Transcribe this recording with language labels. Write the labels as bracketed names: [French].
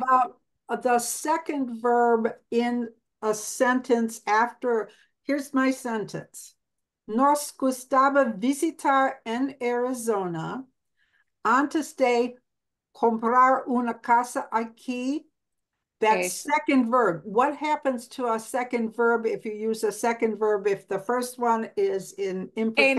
[English] About the second verb in a sentence after, here's my sentence. [Spanish] Nos gustaba visitar en Arizona antes de comprar una casa aquí. [English] That second verb, what happens to a second verb if you use a second verb if the first one is in imperfect?